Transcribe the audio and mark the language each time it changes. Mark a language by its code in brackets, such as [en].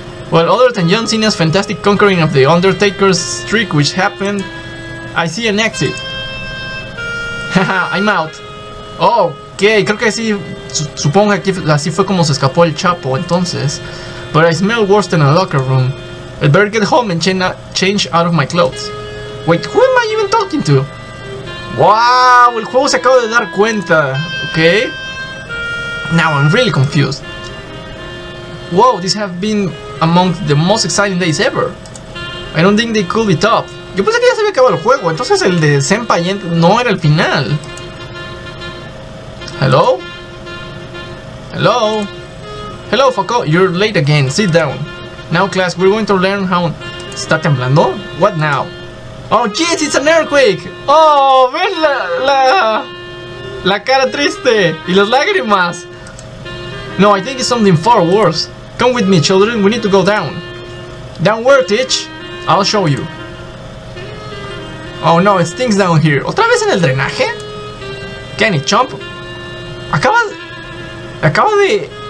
[en] Well, other than John Cena's fantastic conquering of the Undertaker's streak, which happened, I see an exit. Haha, I'm out. [es] Oh, ok, creo que sí, supongo que así fue como se escapó el Chapo, entonces. [en] But I smell worse than a locker room. I'd better get home and change out of my clothes. Wait, who am I even talking to? ¡Wow! [es] El juego se acaba de dar cuenta. Okay. [en] Now I'm really confused. Whoa, this has been among the most exciting days ever. I don't think they could be top. [es] Yo pensé que ya se había acabado el juego, entonces el de Senpai no era el final. [en] Hello? Hello? Hello, Foco, you're late again. Sit down. Now, class, we're going to learn how. [es] ¿Está temblando? [en] What now? Oh, jeez, it's an earthquake! [es] Oh, ven la cara triste y las lágrimas. [en] No, I think it's something far worse. Come with me, children, we need to go down. Down where, Teach? I'll show you. Oh no, it stinks down here. [es] ¿Otra vez en el drenaje? Kenny, Chomp. Acaba de...